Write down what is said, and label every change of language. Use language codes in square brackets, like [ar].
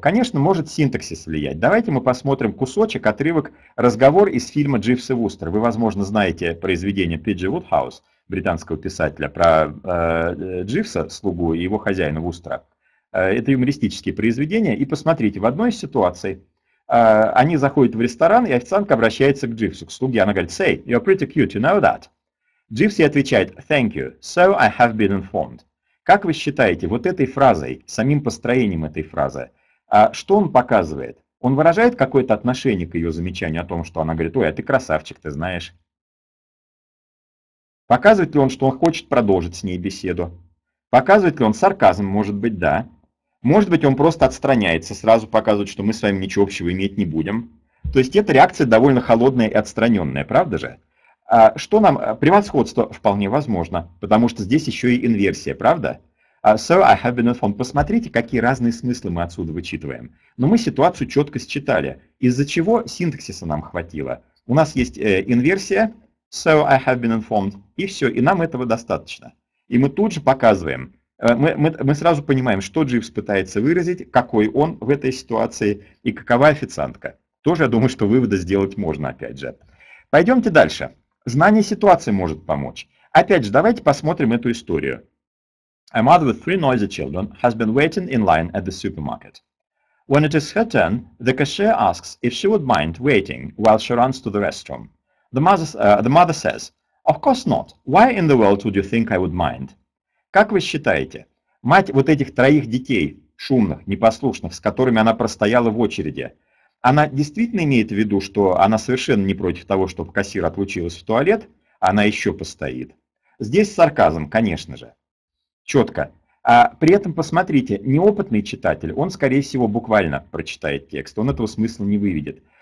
[ru] Конечно, может синтаксис влиять. Давайте мы посмотрим кусочек, отрывок, разговор из фильма «Дживс и Вустер». Вы, возможно, знаете произведение Пиджи Вудхаус, британского писателя, про Дживса, слугу и его хозяина Вустера. Это юмористические произведения. И посмотрите, в одной из ситуаций они заходят в ресторан, и официантка обращается к Дживсу, к слуге. Она говорит, [en] «Say, you're pretty cute, you know that?» [ru] Дживс ей отвечает, [en] «Thank you, so I have been informed». [ru] Как вы считаете, вот этой фразой, самим построением этой фразы, что он показывает? Он выражает какое-то отношение к ее замечанию о том, что она говорит, «Ой, а ты красавчик, ты знаешь». Показывает ли он, что он хочет продолжить с ней беседу? Показывает ли он сарказм? Может быть, да. Может быть, он просто отстраняется, сразу показывает, что мы с вами ничего общего иметь не будем. То есть, эта реакция довольно холодная и отстраненная, правда же? А что нам... Превосходство вполне возможно, потому что здесь еще и инверсия, правда? [en] So, I have been informed. [ru] Посмотрите, какие разные смыслы мы отсюда вычитываем. Но мы ситуацию четко считали. Из-за чего синтаксиса нам хватило? У нас есть инверсия... [en] So I have been informed. [ru] И все, и нам этого достаточно. И мы тут же показываем, мы сразу понимаем, что Дживс пытается выразить, какой он в этой ситуации и какова официантка. Тоже, я думаю, что выводы сделать можно, опять же. Пойдемте дальше. Знание ситуации может помочь. Опять же, давайте посмотрим эту историю. [en] A mother with three noisy children has been waiting in line at the supermarket. When it is her turn, the cashier asks if she would mind waiting while she runs to the restroom. The mother says, of course not. Why in the world would you think I would mind? [ru] Как вы считаете, мать вот этих троих детей, шумных, непослушных, с которыми она простояла в очереди, она действительно имеет в виду, что она совершенно не против того, чтобы кассир отлучилась в туалет, она еще постоит? Здесь сарказм, конечно же. Четко. А при этом, посмотрите, неопытный читатель, он, скорее всего, буквально прочитает текст, он этого смысла не выведет.